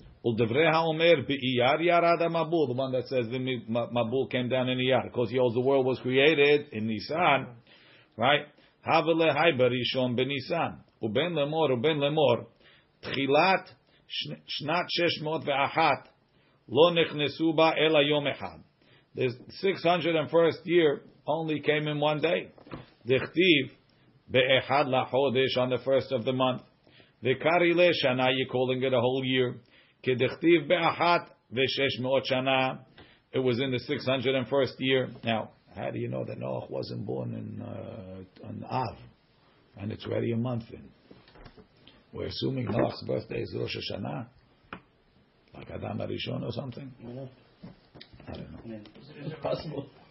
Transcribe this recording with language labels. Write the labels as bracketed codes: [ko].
[he] ודברי האומר, באייר ירד המבול, [en] the one that says the מבול came down in אייר, because all the world was created in Nisan, right? [arc] הווה להי בראשון בניסן, ובין למור ובין למור, תחילת שנת 601 לא נכנסו בה אלא יום אחד. [en] The 601st year only came in one day. [arc] דכתיב באחד לחודש, [en] on the first of the month. [arc] וקרי לשנה, [en] you're calling it a whole year. [arc] כדכתיב באחת ושש מאות שנה. [en] It was in the 601st year. Now, how do you know that Noah wasn't born in Av? And it's already a month in. We're assuming Noach's birthday is Rosh Hashanah, like Adam HaRishon or something. Yeah. I don't know. Yeah. Is it possible?